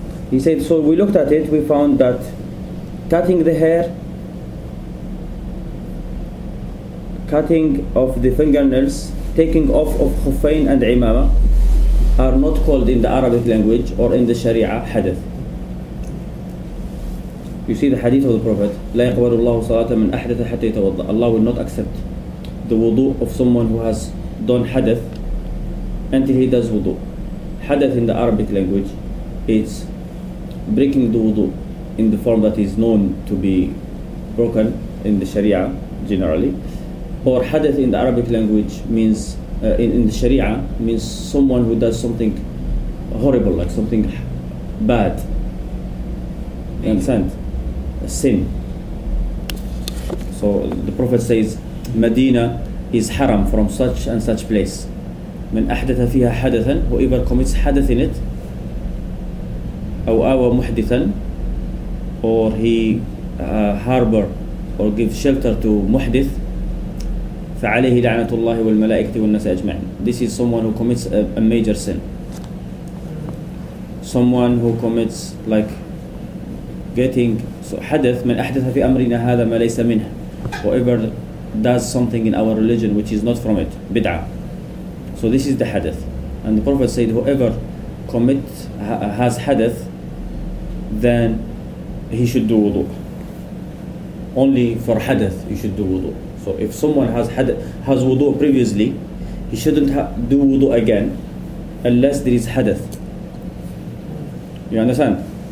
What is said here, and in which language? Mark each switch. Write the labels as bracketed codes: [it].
[en] He said, so we looked at it, we found that cutting the hair, cutting off the fingernails, taking off of khufayn and imama are not called in the Arabic language or in the Sharia hadith. You see the hadith of the Prophet, [ar] لا يقبل الله صلاة من أحدث حتى يتوضأ. [en] Allah will not accept the wudu of someone who has done hadith until he does wudu. Hadith in the Arabic language is breaking the wudu in the form that is known to be broken in the Sharia generally. Or hadith in the Arabic language means, in the Sharia, means someone who does something horrible, like something bad. You understand? A sin. So the Prophet says, Medina is haram from such and such place. [ar] من أحدث فيها حدثا, [en] whoever commits hadith in it, [ar] أو آوى محدثا, [en] or he harbor or gives shelter to [ar] محدث, فعليه لعنة الله والملائكة والناس أجمعين. [en] This is someone who commits a major sin. Someone who commits like getting [ar] حدث من أحدث في أمرنا هذا ما ليس منه. [en] Whoever does something in our religion which is not from it, بدعة. So this is the حدث. And the Prophet said, whoever commits has حدث, then he should do wudu. Only for حدث you should do wudu. So if someone has wudu previously, he shouldn't do wudu again unless there is hadith. You understand?